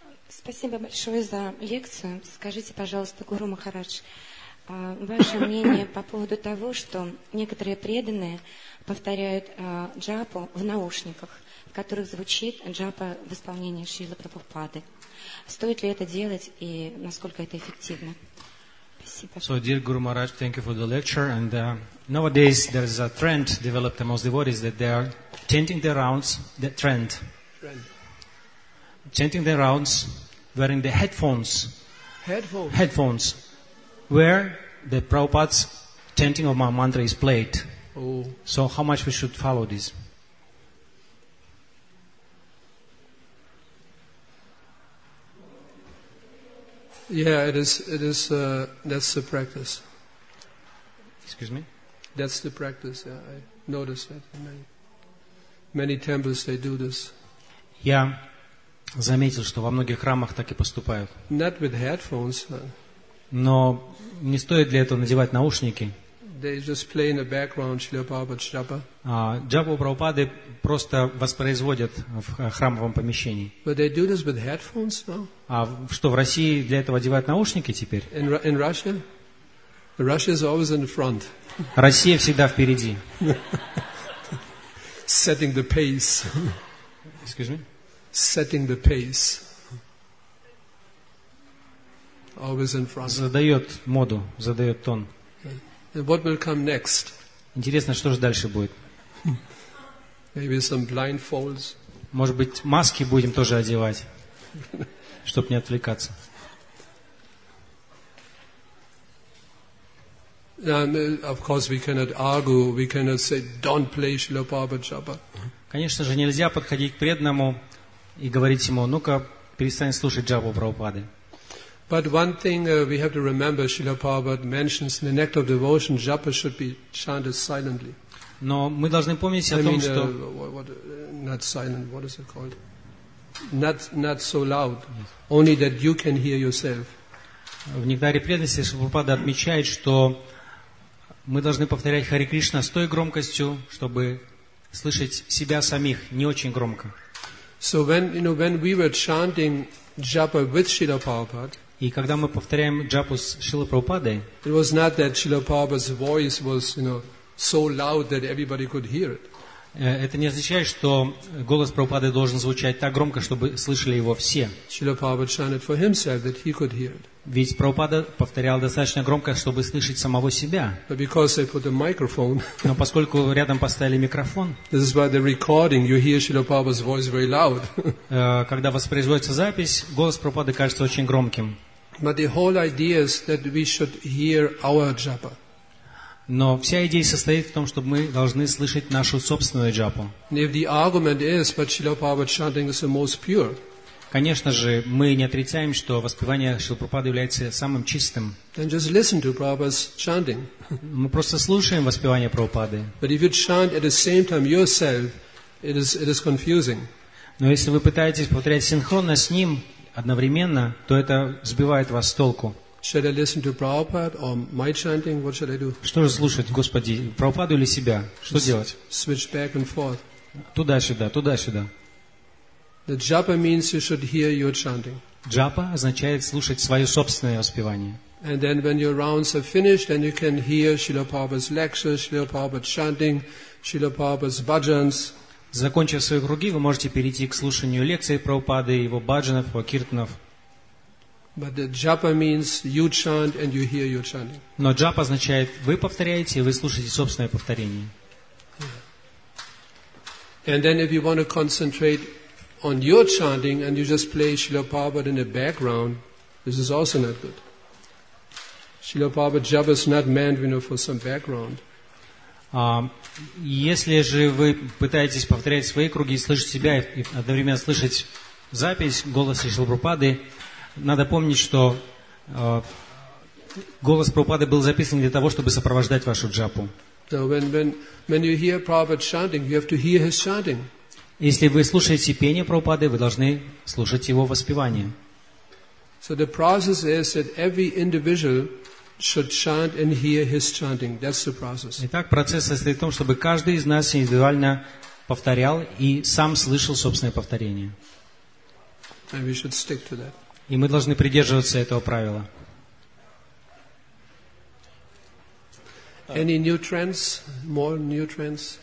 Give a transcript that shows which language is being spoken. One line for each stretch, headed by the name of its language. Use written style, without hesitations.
Russian: Спасибо большое за лекцию. Скажите, пожалуйста, Гуру Махарадж, ваше мнение по поводу того, что некоторые преданные повторяют джапу в наушниках, в которых звучит джапа в исполнении Шрилы Прабхупады. Стоит ли это делать и насколько это эффективно?
English: So, dear Guru Maharaj, thank you for the lecture. And nowadays there is a trend developed among devotees that they are chanting their rounds, the trend. Chanting their rounds wearing the headphones. Headphones. Headphones. Where the Prabhupada's chanting of my mantra is played. Oh. So how much we should follow this? Yeah, it is that's the practice. Excuse me? That's the practice, yeah. I noticed that in many temples they do this. Yeah.
Russian: Заметил, что во многих храмах так и поступают.
English: Not with headphones.
Russian: Но не стоит для этого надевать наушники.
English: They just play in the background Шрила Прабхупада джапа.
Russian: Джапу Прабхупады просто воспроизводят в храмовом помещении.
English: But they do this with headphones, no?
Russian: А что, в России для этого одевают наушники теперь?
English: In Russia? Russia is always in the front.
Russian: Россия всегда впереди.
English: Setting the pace. Excuse me? Setting the pace. Always in front.
Russian: Задает моду, задает тон.
English: And what will come next?
Russian: Интересно, что же дальше будет?
English: Maybe some blindfolds.
Russian: Может быть, маски будем тоже одевать, чтобы не отвлекаться.
English: Of course, we cannot argue. We cannot say, "Don't play Shrila Prabhupada japa."
Russian: Конечно же, нельзя подходить к преданному и говорить ему: "Ну-ка, перестань слушать джапу Прабхупады."
English: But one thing we have to remember, Srila Prabhupada mentions in the Nectar of Devotion, japa should be chanted silently.
Russian: Но мы должны помнить о том, что
English: not silent. What is it called? Not so loud. Yes. Only that you can hear yourself.
Russian: В Нектаре преданности Шрила Прабхупада отмечает, что мы должны повторять Хари Кришна с той громкостью, чтобы слышать себя самих не очень громко.
English: So when you know when we were chanting japa with Srila Prabhupada.
Russian: И когда мы повторяем джапу с Шрилой Прабхупадой,
English: it was not that Srila Prabhupada's voice was, you know, so loud that everybody could hear it.
Russian: Это не означает, что голос Прабхупады должен звучать так громко, чтобы слышали его все.
English: Srila Prabhupada chanted for himself that he could hear it.
Russian: Ведь Прабхупада повторял достаточно громко, чтобы слышать самого себя.
English: But because they put a microphone.
Russian: Но поскольку рядом поставили микрофон.
English: This is why the recording, you hear Srila Prabhupada's voice very loud.
Russian: Когда воспроизводится запись, голос Прабхупады кажется очень громким.
English: But the whole idea is that we should hear our japa.
Russian: Но вся идея состоит в том, чтобы мы должны слышать нашу собственную джапу.
English: If the argument is, but Srila Prabhupada chanting is the most pure.
Russian: Конечно же, мы не отрицаем, что воспевание Шрилы Прабхупады является самым чистым.
English: Then just listen to Prabhupada's chanting.
Russian: Мы просто слушаем воспевание Прабхупады.
English: But if you chant at the same time yourself, it is confusing.
Russian: Но если вы пытаетесь повторять синхронно с ним одновременно, то это сбивает вас с толку.
English: Should I listen to Prabhupada or my chanting? What should I do?
Russian: Что же слушать, Господи, Прабхупаду или себя? Что делать?
English: Switch back and forth.
Russian: Туда-сюда, туда-сюда.
English: The japa means you should hear your chanting.
Russian: Джапа означает слушать свое собственное воспевание.
English: And then when your rounds are finished, then you can hear Srila Prabhupada's lectures, Srila Prabhupada's chanting, Srila Prabhupada's bhajans.
Russian: Закончив свои круги, вы можете перейти к слушанию лекций Прабхупады, его бхаджанов, его киртанов.
English: But the japa means you chant and you hear your chanting.
Russian: Но джапа означает вы повторяете и вы слушаете собственное повторение.
English: And then if you want to concentrate on your chanting and you just play Srila Prabhupada in the background, this is also not good. Srila Prabhupada japa is not meant, you know, for some background.
Russian: Если же вы пытаетесь повторять свои круги и слышать себя и одновременно слышать запись голоса Шрилы Прабхупады, надо помнить, что голос Прабхупады был записан для того, чтобы сопровождать вашу джапу.
English: So when you hear Prabhupada chanting, you have to hear his chanting.
Russian: Если вы слушаете пение Прабхупады, вы должны слушать его воспевание.
English: So the process is that every individual should chant and hear his chanting. That's the process.
Russian: Итак, процесс состоит в том, чтобы каждый из нас индивидуально повторял и сам слышал собственное повторение.
English: And we should stick to that.
Russian: И мы должны придерживаться этого правила.
English: Any new trends? More new trends?